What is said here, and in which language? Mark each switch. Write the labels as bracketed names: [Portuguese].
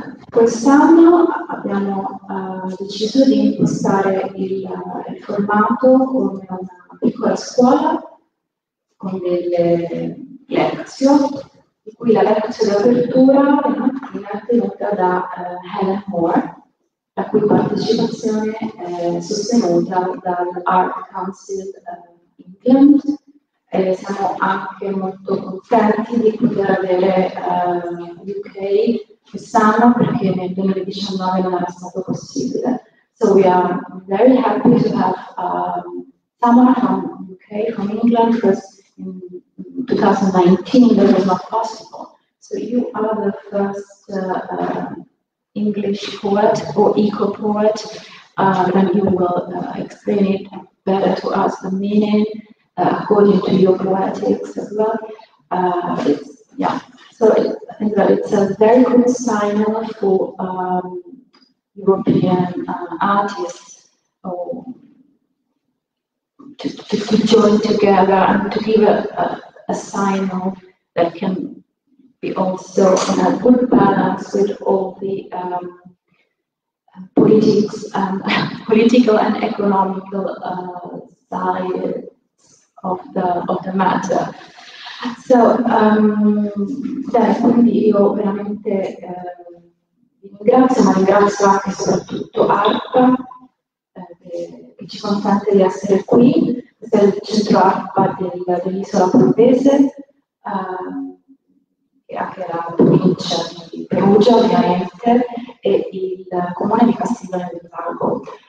[Italian] Quest'anno abbiamo deciso di impostare il formato con una piccola scuola, con delle Lectio, di cui la Lectio d'apertura è tenuta da Helen Moore, la cui partecipazione è sostenuta dall'Art Council England. Siamo anche molto contenti di poter avere UK quest'anno, perché nel 2019 non era stato possibile. [English] So we are very happy to have someone from UK, from England, because in 2019 that was not possible. So you are the first English poet or eco-poet, and you will explain it better to us, the meaning, according to your poetics as well. So I think that it's a very good sign for European artists to join together and to give a sign that can be also in a good balance with all the politics and political and economical side of the matter. [Italian] So quindi io veramente vi ringrazio, ma ringrazio anche e soprattutto ARPA che ci consente di essere qui. Questo è il centro ARPA dell'isola Pompese, che è anche la provincia di Perugia ovviamente, e il comune di Castiglione del Vago.